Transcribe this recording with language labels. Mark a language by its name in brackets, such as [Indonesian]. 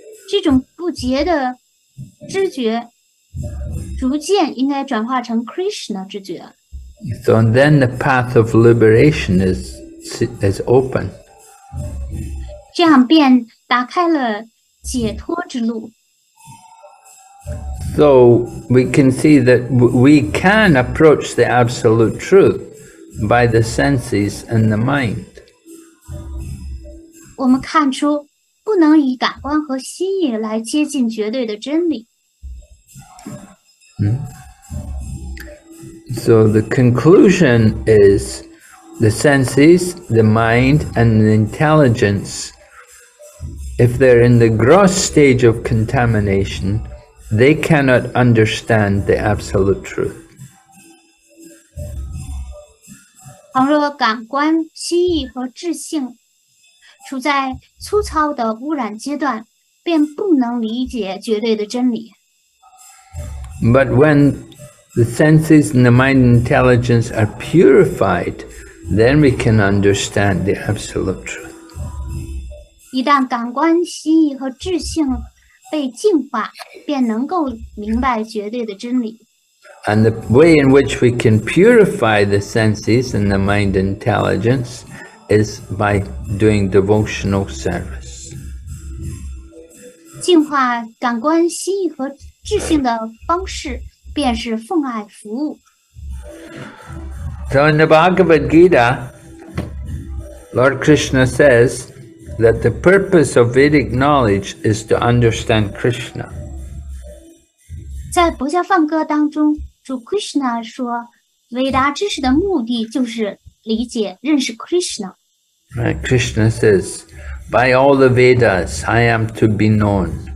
[Chinese] 这种不洁的知觉逐渐应该转化成 Krishna 知觉。 [English] So then the path of liberation is open. [Chinese] 这样便打开了解脱之路。 [English] So we can see that we can approach the absolute truth by the senses and the mind. [Chinese] 我们看出不能以感官和心意来接近绝对的真理。 [English] So the conclusion is the senses, the mind, and the intelligence, if they're in the gross stage of contamination,They cannot understand the absolute truth. [Chinese] 倘若感官、心意和智性处在粗糙的污染阶段，便不能理解绝对的真理。 [English] But when the senses and the mind and intelligence are purified, then we can understand the absolute truth. [Chinese] 一旦感官、心意和智性被净化，便能够明白绝对的真理。 [English] And the way in which we can purify the senses and the mind intelligence is by doing devotional service. [Chinese] 净化感官、心意和智性的方式，便是奉爱服务。 [English] So in the Bhagavad Gita, Lord Krishna says that the purpose of Vedic knowledge is to understand Krishna. [Chinese] 在《薄伽梵歌》当中, 主 Krishna 说, 伟大知识的目的就是理解认识 Krishna. [English] Right, Krishna says, by all the Vedas, I am to be known.